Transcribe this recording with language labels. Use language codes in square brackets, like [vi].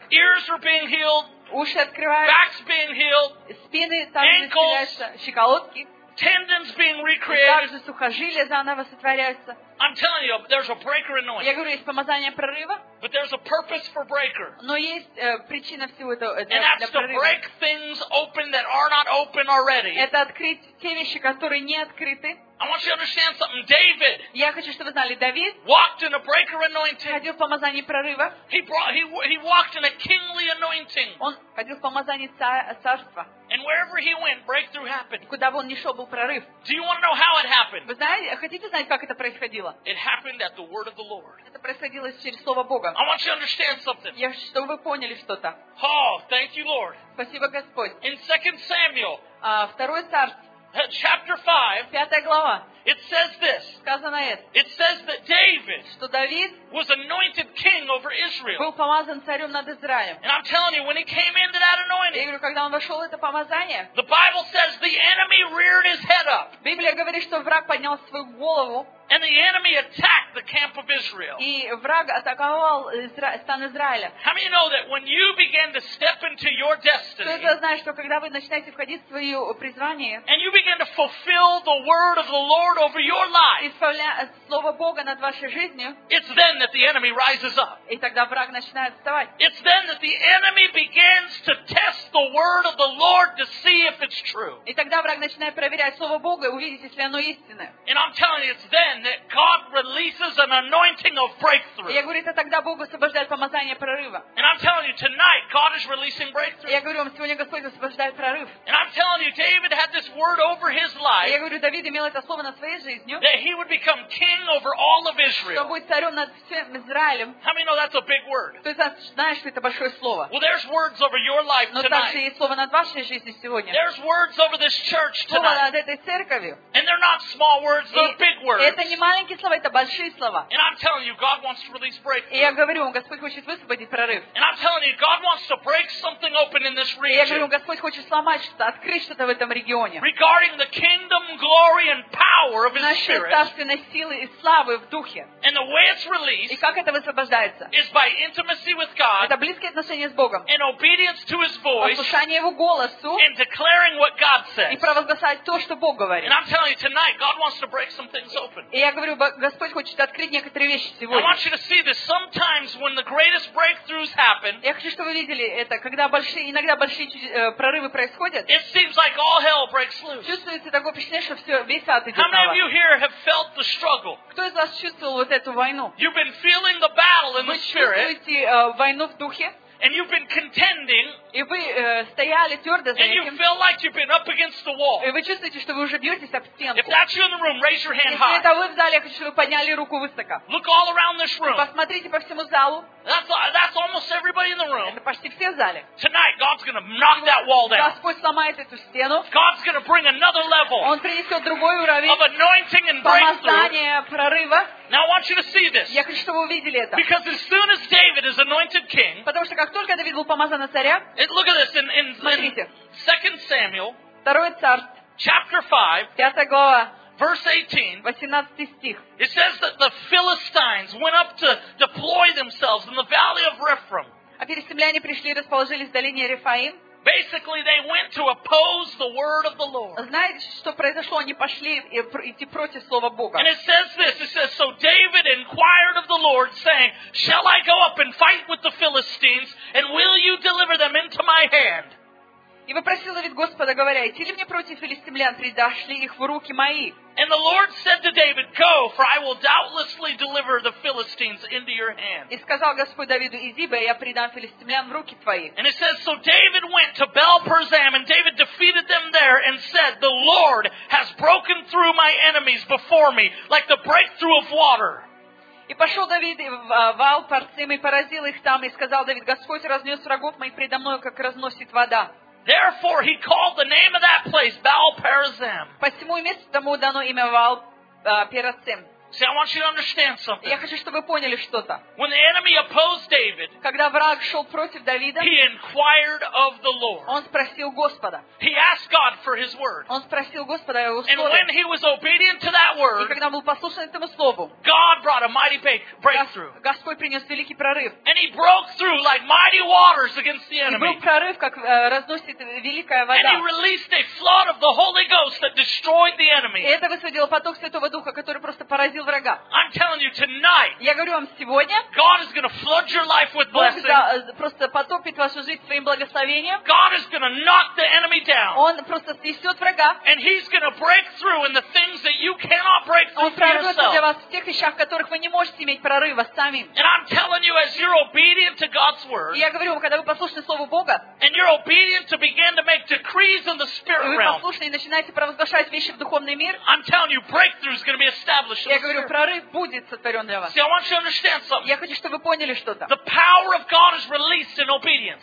[en] Ears are being healed. [ru] Уши открываются. [en] Backs being healed. [ru] Спины там исцеляются. Щиколотки. [en] Tendons being recreated. [ru] Также сухожилия заново сотворяются. [en] I'm telling you, there's a breaker anointing. [ru] Я говорю, есть помазание прорыва. [en] But there's a purpose for breaker. [ru] Но есть причина всего этого. [en] And that's to break things open that are not open already. [ru] Это открыть те вещи, которые не открыты. [en] I want you to understand something, David. [ru] Я хочу, чтобы вы знали, Давид. [en] Walked in a breaker anointing. [ru] Ходил в помазании прорыва. [en] He walked in a kingly anointing. [ru] Он ходил в помазании царства. [en] And wherever he went, breakthrough happened. [ru] Куда бы он ни шел, был прорыв. [en] Do you want to know how it happened? [ru] Вы знаете, хотите знать, как это происходило? [en] It happened at the word of the Lord. [ru] Это происходило через слово Бога. [en] I want you to understand something. [ru] Я хочу, чтобы вы поняли что-то. [en] Oh, thank you, Lord. [ru] Спасибо, Господь. [en] In 2 Samuel. [ru] Второе царство. [en] Chapter 5. [ru] Пятая глава. [en] It says this. [ru] Сказано это. [en] It says that David, [ru] что Давид, [en] was anointed king over Israel. [ru] Был помазан царем над Израилем. [en] And I'm telling you, when he came into that anointing, [ru] я говорю, когда он вошел в это помазание, [en] the Bible says the enemy reared his head up. [ru] Библия говорит, что враг поднял свою голову. [en] And the enemy attacked the camp of Israel. [ru] И враг атаковал стан Израиля. [en] How many know that when you begin to step into your destiny, [ru] кто-то знает, что когда вы начинаете входить в свое призвание, [en] and you begin to fulfill the word of the Lord over your life, [ru] слово Бога над вашей жизнью, [en] it's then that the enemy rises up. [ru] И тогда враг начинает вставать. [en] It's then that the enemy begins to test the word of the Lord to see if it's true. [ru] И тогда враг начинает проверять слово Бога, увидеть, если оно истинное. [en] And I'm telling you, it's then that God releases an anointing of breakthrough. [ru] Я говорю, это тогда Бог освобождает помазание прорыва. [en] And I'm telling you, tonight God is releasing breakthrough. [ru] Я говорю вам, сегодня Господь освобождает прорыв. [en] And I'm telling you, David had this word over his life. [ru] Я говорю, Давид имел это слово над своей жизнью. [en] That he would become king over all of Israel. [ru] Что будет царем над всем Израилем. [en] How many know that's a big word? [ru] Ты знаешь, что это большое слово. [en] Well, there's words over your life tonight. [ru] Но также есть слово над вашей жизнью сегодня. [en] There's words over this church tonight. [ru] Над этой церковью. [en] And they're not small words, they're big words. [ru] Это не маленькие слова, это большие слова. [en] And I'm telling you, God wants to release breakthrough. [ru] И я говорю вам, Господь хочет высвободить прорыв. [en] And I'm telling you, God wants to break something open in this region. [ru] И я говорю вам, Господь хочет сломать что-то, открыть что-то в этом регионе. [en] Regarding the kingdom, glory and power of His Spirit. [ru] Нашей царственной силы и славы в духе. [en] And the way it's released. [ru] И как это высвобождается? [en] Is by intimacy with God. [ru] Это близкие отношения с Богом. [en] And obedience to His voice. [ru] Послушание Его голосу. [en] And declaring what God says. [ru] И провозгласать то, что Бог говорит. [en] And I'm telling you tonight, God wants to break some things open. [ru] И я говорю, Господь хочет открыть некоторые вещи сегодня. [en] I want you to see this. Sometimes when the greatest breakthroughs happen. [ru] Я хочу, чтобы вы видели это, когда большие, иногда большие прорывы происходят. [en] It seems like all hell breaks loose. [ru] Чувствуется такое впечатление, что все весь ад идет. [en] How many of you here have felt the struggle? [ru] Кто из вас чувствовал вот эту войну? [en] You've been feeling the battle in the spirit. [ru] Вы чувствуете войну в духе? [en] And you've been contending. [ru] И вы стояли твердо за этим. [en] And you feel like you've been up against the wall. [ru] И вы чувствуете, что вы уже бьетесь об стенку. [en] If that's you in the room, raise your hand high. [ru] Если это вы в зале, я хочу, чтобы вы подняли руку высоко. [en] Look all around this room. [ru] Посмотрите по всему залу. [en] That's almost everybody in the room. [ru] Это почти все в зале. [en] Tonight God's going to knock that wall down. [ru] Господь сломает эту стену. [en] God's going to bring another level. [ru] Он принесет другой уровень. [en] Of anointing and breakthrough. [ru] Помазание, прорыва. [en] Now I want you to see this. [ru] Я хочу, чтобы вы увидели это. [en] Because as soon as David is anointed king. [ru] Потому что как только Давид был помазан на царя. [en] Look at this in 2 Samuel. [ru] Второе царство. [en] Chapter 5. [ru] Пятая глава. [en] Verse 18. [ru] 18 стих. [en] It says that the Philistines went up to deploy themselves in the valley of Rephaim. [ru] А филистимляне пришли и расположились в долине Рефаим. [en] Basically, they went to oppose the word of the Lord. [ru] Знаете, что произошло? Они пошли идти против слова Бога. [en] And it says this. It says, so David inquired of the Lord, saying, "Shall I go up and fight with the Philistines, and will you deliver them into my hand?" [ru] И вопросил Давид Господа, говоря, идти ли мне против филистимлян, предашь ли их в руки мои? [en] And the Lord said to David, "Go, for I will doubtlessly deliver the Philistines into your hand." [ru] И сказал Господь Давиду: "Иди, бо я предам филистимлян в руки твои." [en] And it says, "So David went to Baal-perazim, and David defeated them there, and said, 'The Lord has broken through my enemies before me, like the breakthrough of water.'" [ru] И пошел Давид в Баал-перацим и поразил их там, и сказал Давид: "Господь разнес врагов моих предо мною, как разносит вода." [en] Therefore, he called the name of that place Baal-perazim. [ru] Посему месту тому дано имя Баал-перацим. [en] See, I want you to understand something. [ru] Я хочу, чтобы вы поняли что-то. [en] When the enemy opposed David, [ru] когда враг шел против Давида, [en] he inquired of the Lord. [ru] Он спросил Господа. [en] He asked God for His word. [ru] Он спросил Господа о Его слове. [en] And when he was obedient to that word, [ru] и когда он был послушен этому слову, [en] God brought a mighty breakthrough. [ru] Господь принес великий прорыв. [en] And he broke through like mighty waters against the enemy. [ru] И был прорыв, как разносит великая вода. [en] And he released a flood of the Holy Ghost that destroyed the enemy. [ru] И это высвободило поток Святого Духа, который просто поразил. [en] I'm telling you tonight. [ru] Я говорю вам сегодня. [en] God is going to flood your life with blessing. [ru] Просто потопит вашу жизнь своим благословением. [en] God is going to knock the enemy down. [ru] Он просто снесет врага. [en] And He's going to break through in the things that you cannot break through for yourself. [ru] Он прорвет для вас в тех вещах, в которых вы не можете иметь прорыва сами. [en] And I'm telling you, as you're obedient to God's word. [ru] Я говорю вам, когда вы послушны слову Бога. [en] And you're obedient to begin to make decrees in the spirit realm. [ru] Вы послушны и начинаете провозглашать вещи в духовный мир. [en] I'm telling you, breakthrough is going to be established. [ru] Я говорю, прорыв будет сотворен для вас. [en] See, I want you to understand something. [ru] Я хочу, чтобы вы поняли что-то. [en] The power of God is released in obedience.